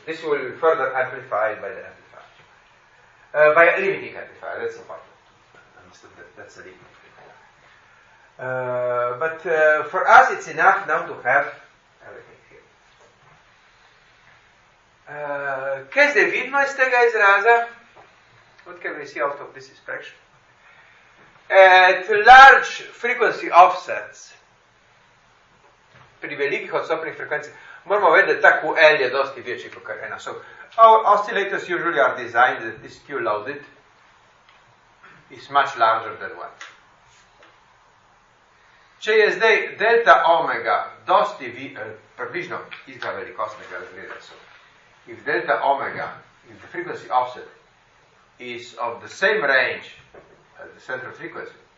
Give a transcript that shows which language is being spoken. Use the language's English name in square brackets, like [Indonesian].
[English] This will be further amplified by the amplifier. By a limiting amplifier, that's important. Understood that that's a limiting amplifier. But for us it's enough now to have everything here. [Slovenian] Kaj zdaj vidimo iz tega izraza? [English] What can we see out of this expression? At large frequency offsets, [Slovenian] pri velikih odstopnih frekvencijah, moramo vedeti, da ta QL je dosti večji kot ena. [English] So, our oscillators usually are designed that this Q loaded is much larger than one. [Slovenian] Če je zdaj delta omega dosti približno izga velikostnega razreda, [English] so, if delta omega, if the frequency offset is of the same range, the central frequency,